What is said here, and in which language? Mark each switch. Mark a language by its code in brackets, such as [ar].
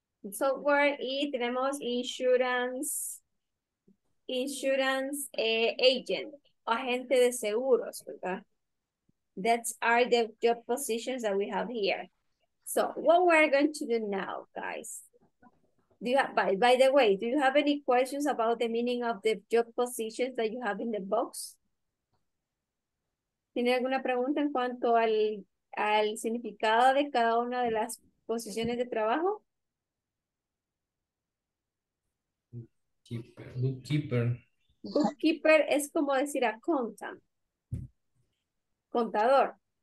[es] Software y tenemos [en] insurance agent, [es] agente de seguros, ¿verdad? [en] That's are the job positions that we have here. So what we're going to do now, guys. Do you have, by the way, do you have any questions about the meaning of the job positions that you have in the box? [es] ¿Tiene alguna pregunta en cuanto al significado de cada una de las posiciones de trabajo? [en] Bookkeeper [es] es como decir accountant. Contador.